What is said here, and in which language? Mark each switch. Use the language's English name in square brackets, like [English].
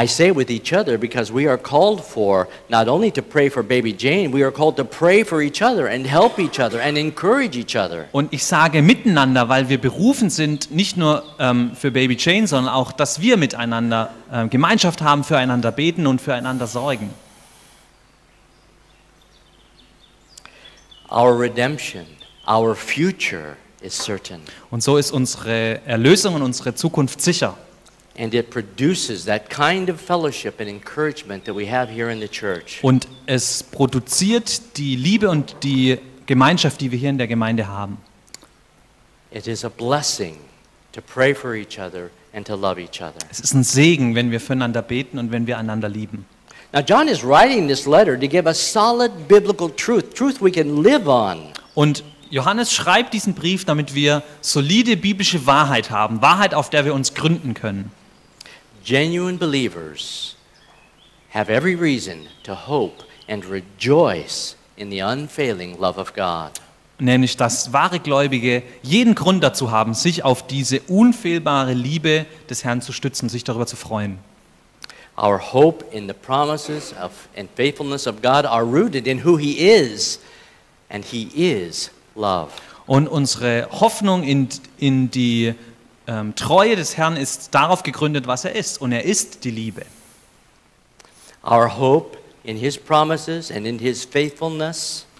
[English] I say with each other because we are called for not only to pray for baby Jane, we are called to pray for each other and help each other and encourage each other. [German] Und ich sage miteinander, weil wir berufen sind, nicht nur für baby Jane, sondern auch, dass wir miteinander Gemeinschaft haben, füreinander beten und füreinander sorgen. [English] Our redemption, our future is certain. [German] Und so ist unsere Erlösung und unsere Zukunft sicher. [English] And it produces that kind of fellowship and encouragement that we have here in the church. [German] Und es produziert die Liebe und die Gemeinschaft, die wir hier in der Gemeinde haben. [English] It is a blessing to pray for each other and to love each other. [German] Es ist ein Segen, wenn wir füreinander beten und wenn wir einander lieben. [English] Now John is writing this letter to give a solid biblical truth, truth we can live on. [German] Und Johannes schreibt diesen Brief, damit wir solide biblische Wahrheit haben, Wahrheit, auf der wir uns gründen können. [English] Genuine believers have every reason to hope and rejoice in the unfailing love of God. [German] Nämlich, dass wahre Gläubige jeden Grund dazu haben, sich auf diese unfehlbare Liebe des Herrn zu stützen, sich darüber zu freuen. [English] Our hope in the promises of and faithfulness of God are rooted in who He is, and He is love. [German] Und unsere Hoffnung in die Treue des Herrn ist darauf gegründet, was er ist, und er ist die Liebe. [English] Our hope in His promises and in His faithfulness.